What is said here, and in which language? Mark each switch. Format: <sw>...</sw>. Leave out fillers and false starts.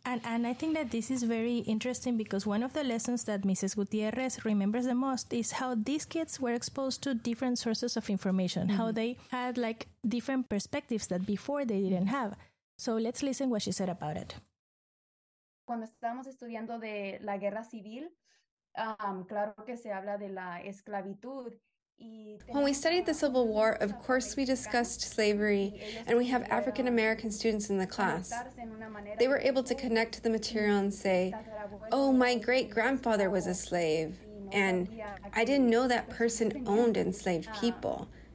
<en>And I think that this is very interesting, because one of the lessons that Mrs. Gutierrez remembers the most is how these kids were exposed to different sources of information, mm-hmm. how they had like different perspectives that before they didn't have. So let's listen what she said about it.</en> <es>Cuando estábamos estudiando de la guerra civil, claro que se habla de la esclavitud</es> <en>When we studied the Civil War, of course, we discussed slavery, and we have African American students in the class. They were able to connect to the material and say, oh, my great grandfather was a slave, and I didn't know that person owned enslaved people.</en>